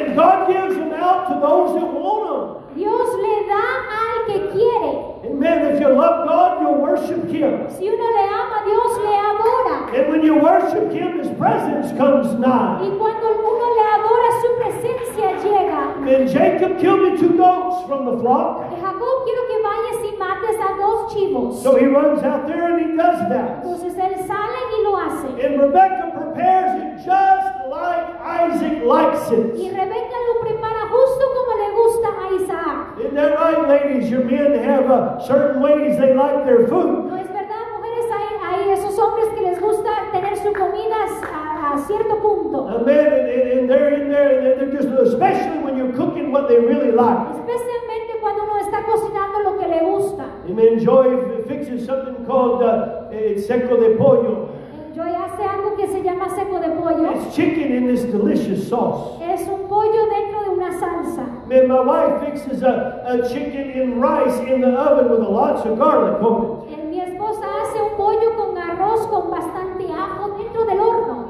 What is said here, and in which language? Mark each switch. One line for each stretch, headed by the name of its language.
English: And God gives them out to those that want them.
Spanish: Dios le da al que quiere.
English: Amen. If you love God, you'll worship Him.
Spanish: Si uno le ama, Dios le adora.
English: And when you worship Him, His presence comes nigh.
Spanish: Y cuando uno le adora, su presencia llega.
English: And Jacob, kill me two goats from the flock.
Spanish: Y Jacob, quiero que vayas y mates a dos chivos.
English: So he runs out there and he does that.
Spanish: Entonces él sale y lo hace.
English: And Rebecca prepares it just like Isaac likes it.
Spanish: Y Rebecca lo prepara justo como le gusta a Isaac.
English: Isn't that right, ladies? Your men have certain ways they like their food.
Spanish: No, es verdad, mujeres, hay esos hombres que les gusta tener su comida a cierto punto.
English: Amen. And they're in there, and they're just, especially when you're cooking what they really like.
Spanish: Especialmente cuando uno está cocinando lo que le gusta.
English: Amen. Joy fixes something called seco de pollo.
Spanish: Joy hace algo que se llama seco de pollo.
English: It's chicken in this delicious sauce.
Spanish: Es un pollo dentro de una salsa.
English: Man, my wife fixes a chicken and rice in the oven with lots of garlic on it.
Spanish: Mi esposa hace un pollo con arroz con bastante ajo dentro del horno.